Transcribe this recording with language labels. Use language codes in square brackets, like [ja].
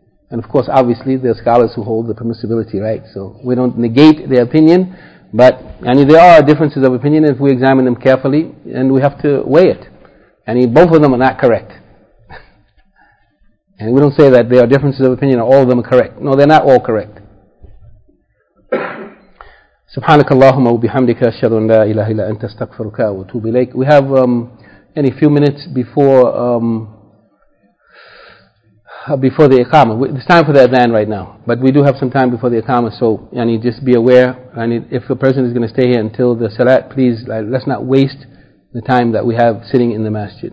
[en] And of course, obviously, there are scholars who hold the permissibility, right? So we don't negate their opinion. But and there are differences of opinion if we examine them carefully, and we have to weigh it. And both of them are not correct. And we don't say that there are differences of opinion and all of them are correct. No, they're not all correct. [ar] سبحانك اللهم وبحمدك أشهد أن لا إله إلا أنت استغفرك وأتوب إليك. [en] We have any few minutes before the Iqama. It's time for the Adhan right now, but we do have some time before the Iqama. So yani just be aware, yani if a person is going to stay here until the Salat, please let's not waste the time that we have sitting in the Masjid.